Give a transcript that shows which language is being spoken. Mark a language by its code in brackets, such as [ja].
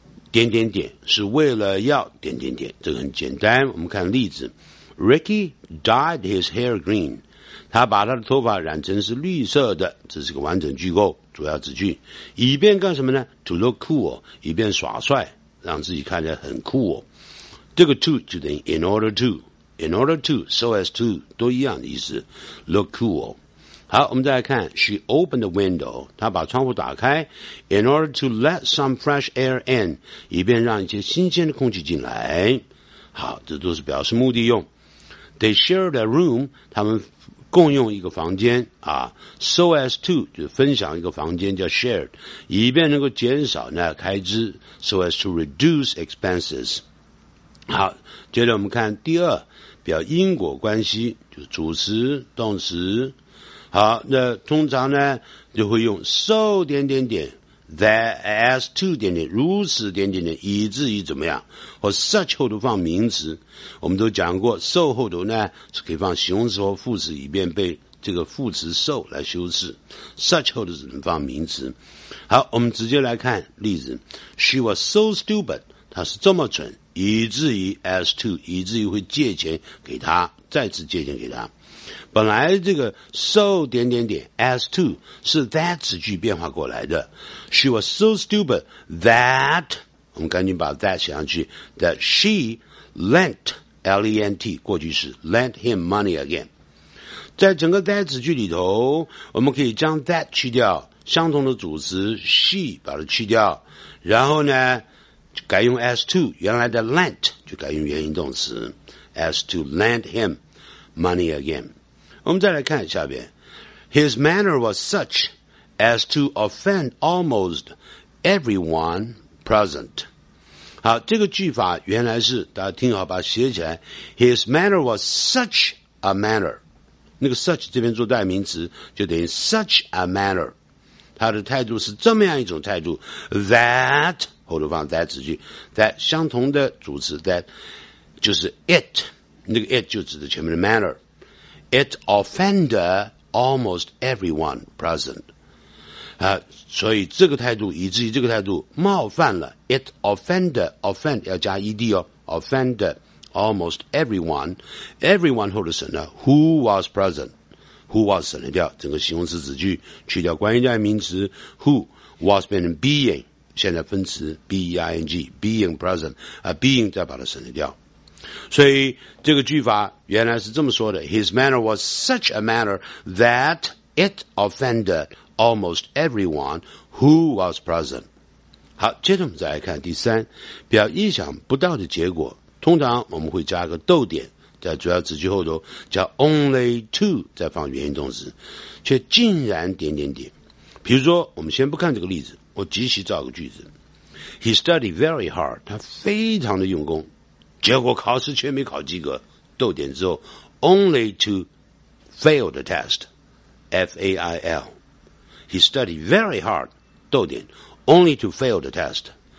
[zh] 点点点是为了要点点点，这个很简单。我们看例子 ， [en] Ricky dyed his hair green， [zh] 他把他的头发染成是绿色的，这是个完整句构，主要子句，以便干什么呢 ？ [en] To look cool， [zh] 以便耍帅，让自己看起来很cool。这个 to 就等于 in order to，so as to 都一样的意思 ，look cool。好，我们再来看 ， [en] She opened the window， [zh] 她把窗户打开 ， [en] in order to let some fresh air in， [zh] 以便让一些新鲜的空气进来。好，这都是表示目的用。 [en] They shared a room， [zh] 他们共用一个房间啊 ，so as to 就分享一个房间叫 shared， 以便能够减少那开支 ， [en] so as to reduce expenses。 [zh] 好，接着我们看第二，表因果关系，就是主词、动词。好，那通常呢就会用 so 点点点 that as to 点点如此点点点以至于怎么样，或 such 后头放名词。我们都讲过 so 后头呢是可以放形容词或副词，以便被这个副词 so 来修饰， such 后头只能放名词。好，我们直接来看例子， [en] She was so stupid， [zh] 她是这么蠢，以至于 as to 以至于会借钱给她，再次借钱给她。本来这个 so 点点点 as to 是 that 词句变化过来的， [en] She was so stupid that， [zh] 我们赶紧把 that 写上去， that she lent L-E-N-T 过去式 [en] lent him money again。 [zh] 在整个 that 词句里头，我们可以将 that 去掉，相同的主词 she 把它去掉，然后呢改用 as to， 原来的 lent 就改用原形动词 [en] as to lent himMoney again. [zh] 我们再来看下边。 [en] His manner was such as to offend almost everyone present. [zh] 好，这个句法原来是，大家听好，把它写起来。 [en] His manner was such a manner. [zh] 那个 such 这边做代名词，就等于 such a manner. 他的态度是这么样一种态度 ,that, 后头放 that 子句 ,that 相同的主词 ,that 就是 it. 那个 it 就指的前面的 manner， [en] it offended almost everyone present， [zh] 啊，所以这个态度以至于这个态度冒犯了 it offended， offend 要加 ed 哦， offended almost everyone， everyone 后的省呢 who was present， who was 省了掉整个形容词子句，去掉关于代名词 who， was 变成 being， 现在分词 being， being present， 啊 being 再把它省了掉。所以这个句法原来是这么说的， [en] His manner was such a manner that it offended almost everyone who was present。 [zh] 好，接着我们再来看第三，表意想不到的结果，通常我们会加个逗点在主要子句后头，叫 only to 再放原形动词，却竟然点点点。比如说我们先不看这个例子，我即席造个句子， [en] He studied very hard， [zh] 他非常的用功，结果考试却没考及格，逗点之后 [en] only to fail the test， [zh] F-A-I-L， He studied very hard， 逗点 only to fail the test。